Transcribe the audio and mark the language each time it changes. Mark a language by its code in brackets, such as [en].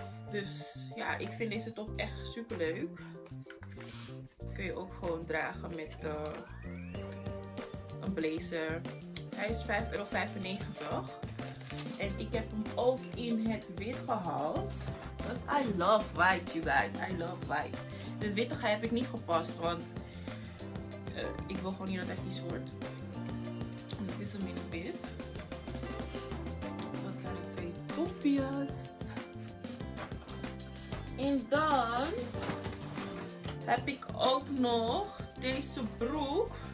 [nl] Dus ja, ik vind deze top echt super leuk. Kun je ook gewoon dragen met een blazer. Hij is €5,95. En ik heb hem ook in het wit gehaald. [en] Dus I love white, you guys. I love white. [nl] De witte heb ik niet gepast, want ik wil gewoon niet dat hij vies wordt. En het is een min of wit. Dat zijn de twee topjes. En dan heb ik ook nog deze broek.